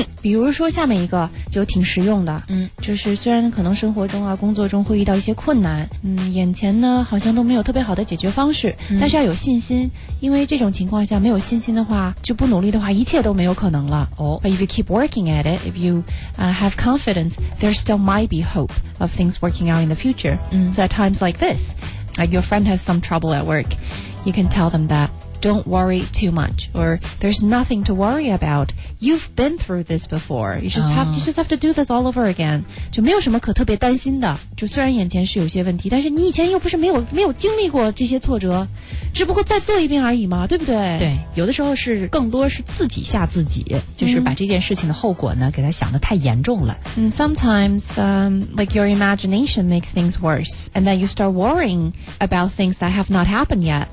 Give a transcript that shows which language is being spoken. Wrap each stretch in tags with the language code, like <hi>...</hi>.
<zh>比如说下面一个就挺实用的，就是虽然可能生活中啊工作中会遇到一些困难，眼前呢好像都没有特别好的解决方式，但是要有信心，因为这种情况下没有信心的话，就不努力的话，一切都没有可能了。哦、</zh> <en>But if you keep working at it, if you have confidence, there still might be hope of things working out in the future. So at times like this, like your friend has some trouble at work, you can tell them that. Don't worry too much, or there's nothing to worry about. You've been through this before. You just have to do this all over again.</en> <zh>就没有什么可特别担心的。就虽然眼前是有些问题，但是你以前又不是没有经历过这些挫折，只不过再做一遍而已嘛，对不对？对，有的时候是更多是自己吓自己，就是把这件事情的后果呢，给他想得太严重了。</zh> <en>Sometimes, like your imagination makes things worse, and then you start worrying about things that have not happened yet.</en>